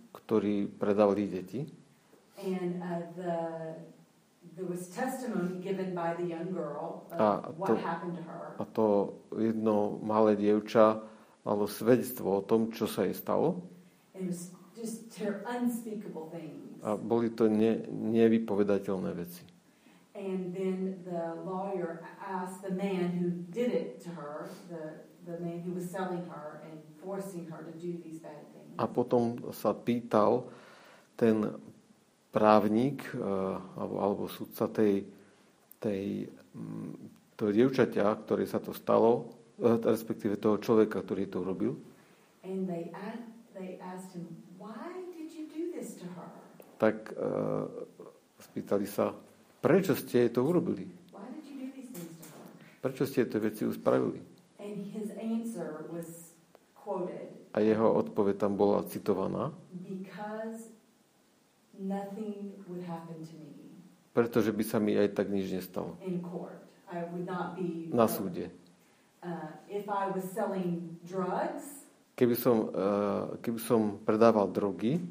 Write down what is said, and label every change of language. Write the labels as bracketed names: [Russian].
[Slovak] Ktorí predávali deti. [English] And there was testimony given by the young girl what happened to her. [Slovak] A to jedno malé dievča malo svedectvo o tom, čo sa jej stalo. [English] It was just unspeakable things. [Slovak] A boli to nevypovedateľné veci. [English] And then the lawyer asked the man who did it to her, the man who was selling her and forcing her to do these bad things. [Slovak] A potom sa pýtal ten právnik alebo sudca toho dievčaťa, ktoré sa to stalo, respektíve toho človeka, ktorý to urobil. [English] And they asked him, why did you do this to her? [Slovak] Tak spýtali sa, prečo ste to urobili? [English] Why did you do these things to her? [Slovak] Prečo ste to veci uspravili? [English] And his answer was quoted [Slovak] a jeho odpoveď tam bola citovaná. [English] Because nothing would happen to me. [Slovak] Pretože by sa mi aj tak nič nestalo. [English] In court. I would not be [Slovak] na súde. [English] If I was selling drugs, [Slovak] keby som predával drogy,